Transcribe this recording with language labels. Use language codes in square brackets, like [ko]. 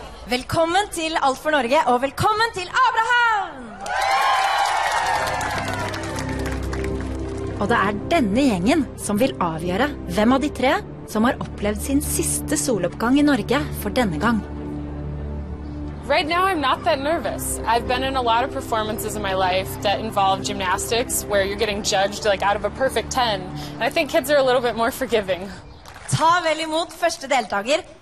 [no] Velkommen til Alt for Norge, og velkommen til Abraham! Og det er denne gjengen som vil avgjøre hvem av de tre som har opplevd sin siste soloppgang i Norge for denne gang. [en] Right now, I'm not that nervous. I've been in a lot of performances in my life that involve gymnastics, where you're getting judged like out of a perfect 10. And I think kids are a little bit more forgiving. [no] Ta vel imot første deltaker.